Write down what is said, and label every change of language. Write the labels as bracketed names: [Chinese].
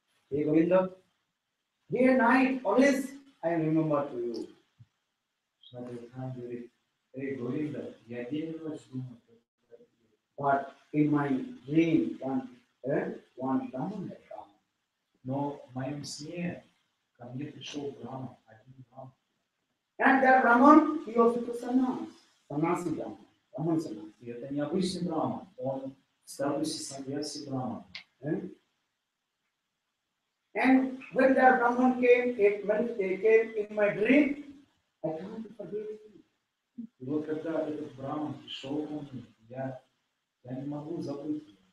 [English] Hey Govinda, day and night, always I remember to you. [Russian] Shrimati Radhakarani говорит, Hey Govinda, я день и ночь думаю про тебя. [English] But in my dream, one Brahman had come. [Russian] Но в моем сне ко мне пришел Брахма, один Брахма. And that Brahman, he also took sannyas. Санаси Брама. Браман Санаси. И это необычный Брама. Он в статусе Саньяси Брама. [English] And when the Brahman came, in my dream, I can't forget him. [Russian] И вот когда этот Браман пришел ко мне, я не могу забыть его.